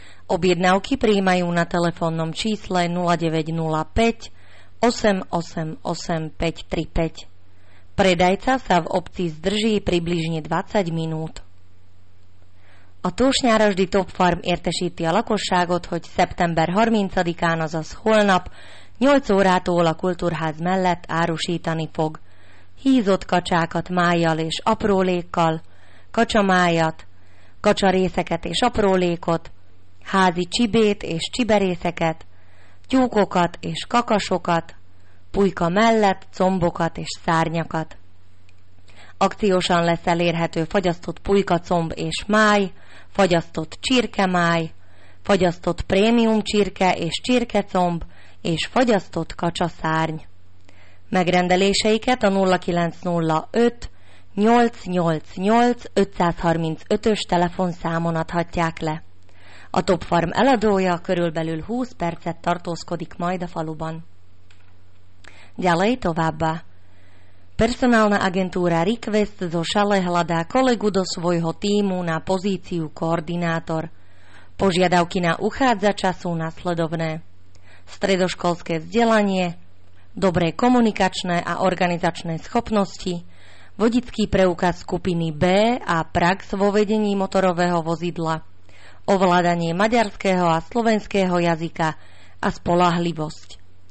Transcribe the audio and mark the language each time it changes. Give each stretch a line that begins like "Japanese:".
Slovak: Objednávky prijímajú na telefónnom čísle 0905 888535. Predajca sa v obci zdrží približne 20 minút.
Hungarian: A tu už nárožde Top Farm értesíti a lakosságot, hogy szeptember 30-án, azaz holnap, 8 órától a kultúrház mellett árusítani fog hízott kacsákat májjal és aprólékkal, kacsamájat, kacsarészeket és aprólékot, házi csibét és csiberészeket, tyúkokat és kakasokat, pulyka mellett combokat és szárnyakat. Akciósan lesz elérhető fagyasztott pulykacomb és máj, fagyasztott csirkemáj, fagyasztott prémium csirke és csirkecomb és fagyasztott kacsaszárny. Megrendeléseiket a 0905 888 535-ös telefonszámon adhatják le. A Top Farm eladója körülbelül 20 percet tartózkodik majd a faluban.
Slovak: Ďalej
Hungarian: továbbá.
Slovak: Personálna agentúra Request zo Šale hľadá kolegu do svojho tímu na pozíciu koordinátor. Požiadavky na uchádzača sú nasledovné. Stredoškolské vzdelanie, dobré komunikačné a organizačné schopnosti, vodický preukaz skupiny B a prax vo vedení motorového vozidla, ovládanie maďarského a slovenského jazyka a spoľahlivosť.